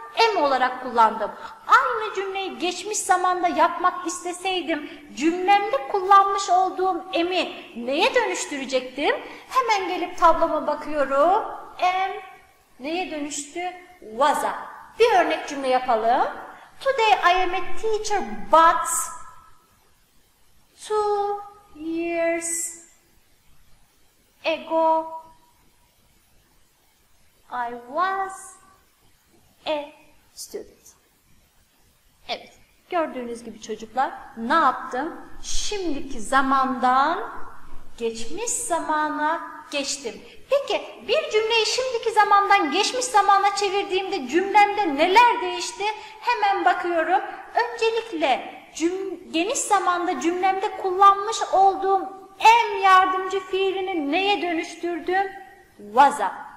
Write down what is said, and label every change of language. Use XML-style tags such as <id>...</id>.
<tr>Am olarak kullandım. Aynı cümleyi geçmiş zamanda yapmak isteseydim cümlemde kullanmış olduğum am'i neye dönüştürecektim? Hemen gelip tabloma bakıyorum. Am neye dönüştü? Was'a. Bir örnek cümle yapalım.</tr> <en>Today I am a teacher but 2 years ago I was a student.</en> <tr>Evet, gördüğünüz gibi çocuklar ne yaptım? Şimdiki zamandan geçmiş zamana geçtim. Peki bir cümleyi şimdiki zamandan geçmiş zamana çevirdiğimde cümlemde neler değişti? Hemen bakıyorum. Öncelikle geniş zamanda cümlemde kullanmış olduğum am yardımcı fiilini neye dönüştürdüm? Was'a.</tr>